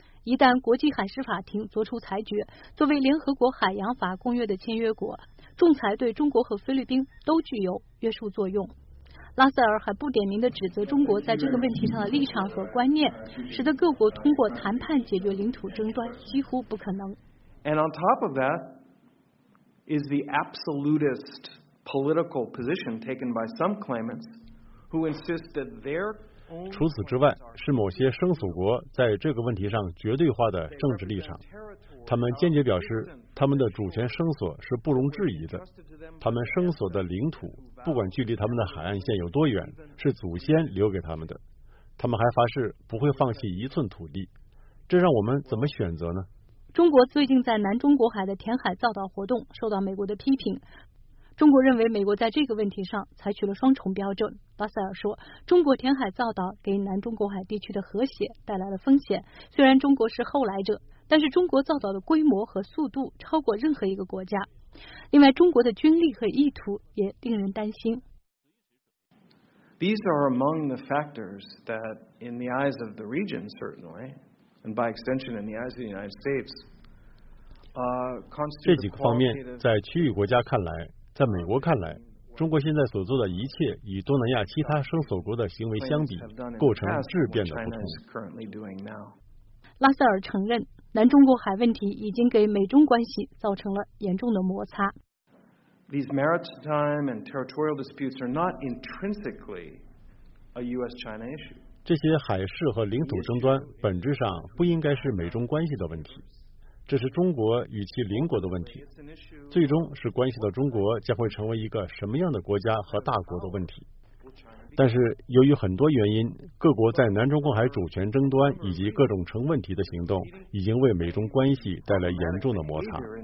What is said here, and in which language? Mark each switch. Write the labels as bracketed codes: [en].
[zh] 一旦国际海事法庭作出裁决，作为联合国海洋法公约的签约国，仲裁对中国和菲律宾都具有约束作用。拉塞尔还不点名地指责中国在这个问题上的立场和观念，使得各国通过谈判解决领土争端几乎不可能。 [en] And on top of that is the absolutist political position taken by some claimants who insist that their。 [zh] 除此之外，是某些申索国在这个问题上绝对化的政治立场。他们坚决表示，他们的主权申索是不容置疑的。他们申索的领土，不管距离他们的海岸线有多远，是祖先留给他们的。他们还发誓不会放弃一寸土地。这让我们怎么选择呢？中国最近在南中国海的填海造岛活动受到美国的批评。中国认为美国在这个问题上采取了双重标准。巴塞尔说，中国填海造岛给南中国海地区的和谐带来了风险，虽然中国是后来者，但是中国造岛的规模和速度超过任何一个国家。另外，中国的军力和意图也令人担心。 [en] These are among the factors that in the eyes of the region certainly and by extension in the eyes of the United States constitute [zh] 这几个方面在区域国家看来，在美国看来，中国现在所做的一切与东南亚其他申索国的行为相比，构成质变的不同。拉塞尔承认，南中国海问题已经给美中关系造成了严重的摩擦。 [en] These maritime and territorial disputes are not intrinsically a U.S.-China issue. [zh] 这些海事和领土争端本质上不应该是美中关系的问题。这是中国与其邻国的问题，最终是关系到中国将会成为一个什么样的国家和大国的问题。但是由于很多原因，各国在南中国海主权争端以及各种成问题的行动已经为美中关系带来严重的摩擦。